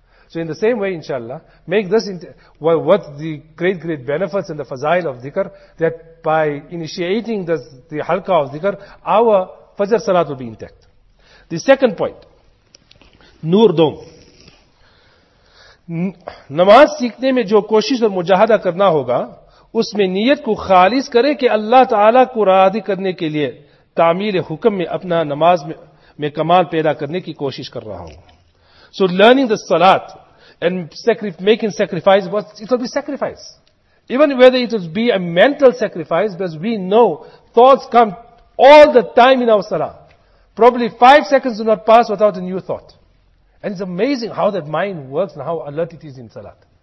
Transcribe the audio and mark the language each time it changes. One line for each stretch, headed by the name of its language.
English: So in the same way, inshallah, make this what the great benefits and the fazail of dhikr, that by initiating the halqa of dhikr, our Fajr Salat will be intact. The second point, Noor Dome.
Urdu: Namaz seekhne mein jo koshish aur mujahada karna hoga, اس میں نیت کو خالص کرے کہ اللہ تعالیٰ کو راضی کرنے کے لیے تعمیل حکم میں اپنا نماز میں کمال پیدا کرنے کی کوشش کر رہا ہوں.
English: So learning the salat and making sacrifice, it will be sacrifice. Even whether it will be a mental sacrifice, because we know thoughts come all the time in our salah. Probably 5 seconds do not pass without a new thought. And it's amazing how that mind works and how alert it is in salat.